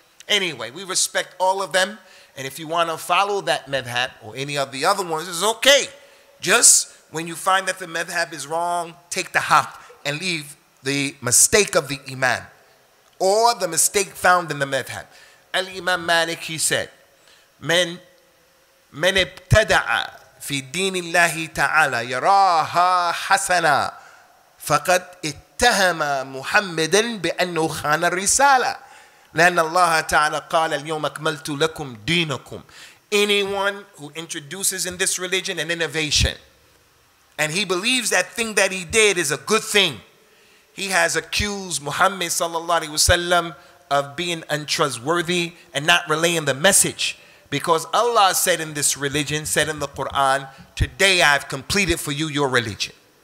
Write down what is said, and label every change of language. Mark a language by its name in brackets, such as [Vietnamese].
[English] Anyway, we respect all of them. And if you want to follow that madhab or any of the other ones, it's okay. Just... when you find that the madhab is wrong, take the haq and leave the mistake of the imam or the mistake found in the madhab. Al-Imam Malik, he said, [Arabic] من ابتدع في دين الله تعالى يراها حسنا فقد اتهم محمدا بأنه خان الرسالة لأن الله تعالى قال اليوم أكملت لكم دينكم. [English] anyone who introduces in this religion an innovation. And he believes that thing that he did is a good thing. He has accused Muhammad sallallahu alaihi wasallam of being untrustworthy and not relaying the message. Because Allah said in this religion, said in the Quran, today I've completed for you your religion.